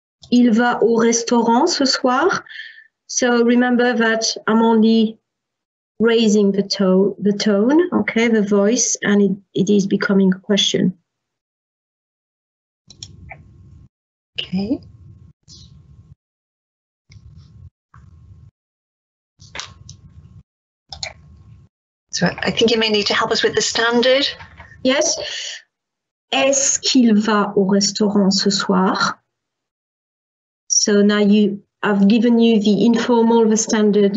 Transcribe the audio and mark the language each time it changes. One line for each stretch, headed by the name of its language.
French: Il va au restaurant ce soir?
English: So remember that I'm only raising the tone, okay, the voice, and it is becoming a question. Okay. So I think you may need to help us with the standard. Yes.
French: Est-ce qu'il va au restaurant ce soir?
English: So now I've given you the informal, the standard.